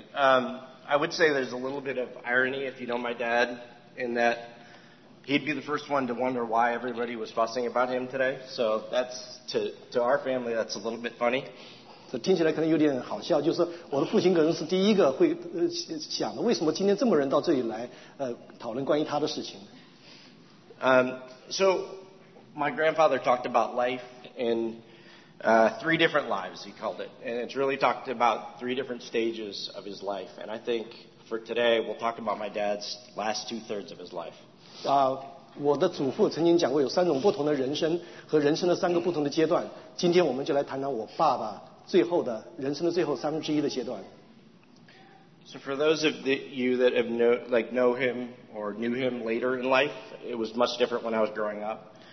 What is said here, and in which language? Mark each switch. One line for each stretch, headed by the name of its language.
English: But I would say there's a little bit of irony, if you know my dad, in that he'd be the first one to wonder why everybody was fussing about him today. So that's to our family, that's a little bit funny.
Chinese: So 听起来可能有点好笑，就是我的父亲可能是第一个会想的，为什么今天这么多人到这里来讨论关于他的事情。
English: So my grandfather talked about life in. Three different lives, he called it. And it's really talked about three different stages of his life. And I think for today, we'll talk about my dad's last two-thirds of his life.
Chinese: 我的祖父曾经讲过有三种不同的人生和人生的三个不同的阶段。今天我们就来谈谈我爸爸最后的人生的最后三分之一的阶段。
English: So for those of you that have know him or knew him later in life, it was much different when I was growing up.